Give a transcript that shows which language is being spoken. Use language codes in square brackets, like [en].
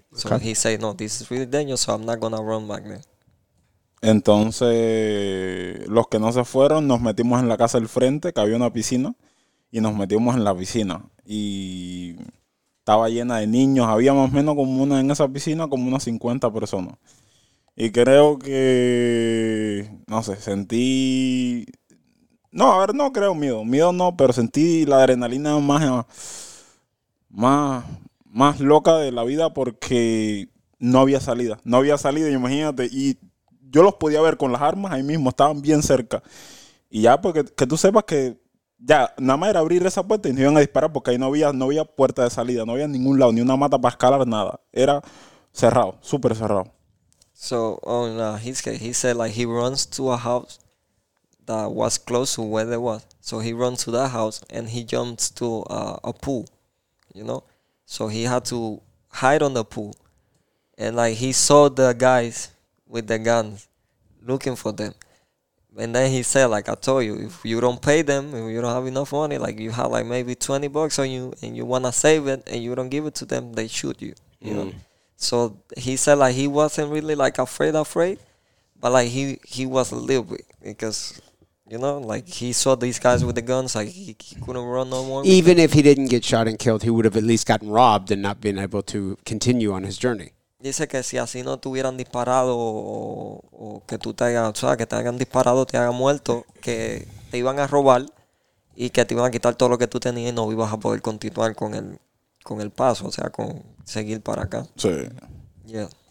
[en] So okay. He say, no, this is really dangerous, so I'm not going to run back there. [es] Entonces, los que no se fueron, nos metimos en la casa del frente, que había una piscina, y nos metimos en la piscina. Y estaba llena de niños, había más o menos como una en esa piscina, como unas 50 personas. Y creo que, no sé, sentí... No, a ver, no creo miedo no, pero sentí la adrenalina más loca de la vida porque no había salida, imagínate, y... Yo los podía ver con las armas ahí mismo, estaban bien cerca. Y ya, porque que tú sepas que ya, nada más era abrir esa puerta y nos iban a disparar porque ahí no había puerta de salida, no había ningún lado, ni una mata para escalar, nada. Era cerrado, súper cerrado. [en] So, oh no, he said like he runs to a house that was close to where they was. So he runs to that house and he jumps to a pool, you know. So he had to hide on the pool, and like he saw the guys with the guns looking for them. And then he said, like, I told you, if you don't pay them, if you don't have enough money, like, you have, like, maybe $20 on you and you want to save it and you don't give it to them, they shoot you, you know? So he said, like, he wasn't really, like, afraid, but, like, he was a little bit because, you know, like, he saw these guys with the guns, like, he couldn't run no more. Even if he didn't get shot and killed, he would have at least gotten robbed and not been able to continue on his journey. [es] Dice que si así no te hubieran disparado o que tú te hayas, o sea, que te hayan disparado, te hayan muerto, que te iban a robar y que te iban a quitar todo lo que tú tenías y no ibas a poder continuar con el paso, o sea, con seguir para acá. Sí. [en] Yeah.